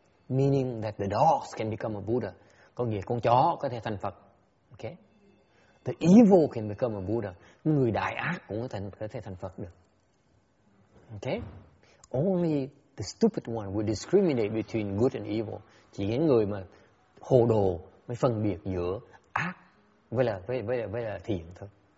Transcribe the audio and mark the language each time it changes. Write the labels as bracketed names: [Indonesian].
[English] Meaning that the dogs can become a Buddha. [Vietnamese] Có nghĩa con chó có thể thành Phật. [English] Okay? The evil can become a Buddha. [Vietnamese] Người đại ác cũng có thể thành Phật được. [English] Okay? Only the stupid one will discriminate between good and evil. [Vietnamese] Chỉ những người mà hồ đồ mới phân biệt giữa ác với là thiện thôi.